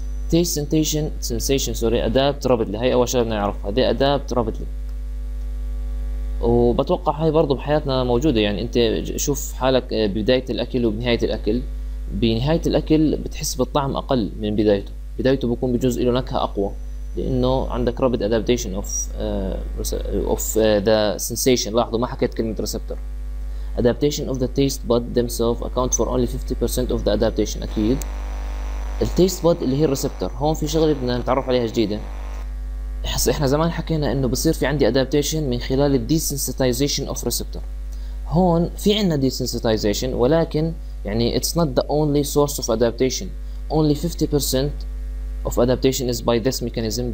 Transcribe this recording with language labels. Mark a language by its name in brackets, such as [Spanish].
[English] taste sensation sensation sorry adapt rapidly, [Arabic] هاي اول شغله بدنا نعرفها، [English] they adapt rapidly, [Arabic] وبتوقع هاي برضه بحياتنا موجوده. يعني انت شوف حالك ببدايه الاكل وبنهايه الاكل، بنهايه الاكل بتحس بالطعم اقل من بدايته، بدايته بكون بجزء له نكهه اقوى لانه عندك [English] Rapid adaptation of of the sensation. [Arabic] لاحظوا ما حكيت كلمه ريسبتور. [English] Adaptation of the taste bud themselves account for only 50% of the adaptation. [Arabic] أكيد التيست بود اللي هي الريسبتور، هون في شغلة بدنا نتعرف عليها جديدة. احنا زمان حكينا انه بصير في عندي adaptation من خلال [English] desensitization of receptor، [Arabic] هون في عندنا desensitization ولكن يعني [English] it's not the only source of adaptation، only 50% of adaptation is by this mechanism.